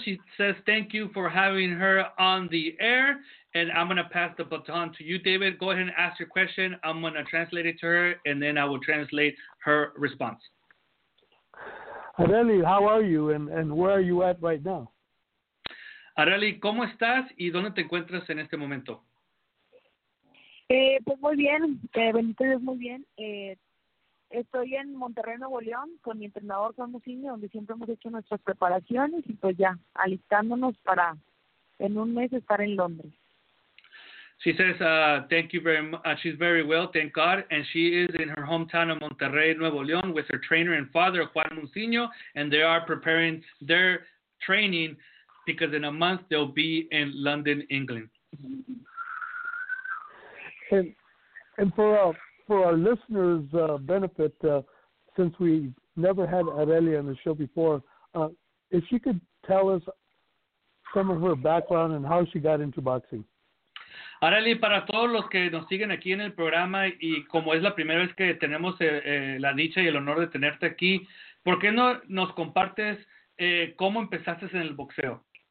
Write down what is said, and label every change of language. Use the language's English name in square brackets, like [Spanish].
[English] She says thank you for having her on the air, and I'm going to pass the baton to you, David. Go ahead and ask your question. I'm going to translate it to her, and then I will translate her response. Areli, how are you, and where are you at right now? [Spanish] Areli, ¿cómo estás y dónde te encuentras en este momento? Pues muy bien, bendito Dios, muy bien. Estoy en Monterrey, Nuevo León, con mi entrenador, Juan Musiño, donde siempre hemos hecho nuestras preparaciones, y pues ya, alistándonos para, en un mes, estar en Londres. [English] She says, thank you very much. She's very well, thank God. And she is in her hometown of Monterrey, Nuevo León, with her trainer and father, Juan Musiño, and they are preparing their training, because in a month, they'll be in London, England. And for us, for our listeners' benefit, since we never had Areli on the show before, if she could tell us some of her background and how she got into boxing. [Spanish] Areli, para todos los que nos siguen aquí en el programa y como es la primera vez que tenemos la dicha y el honor de tenerte aquí, ¿por qué no nos compartes cómo empezaste en el boxeo?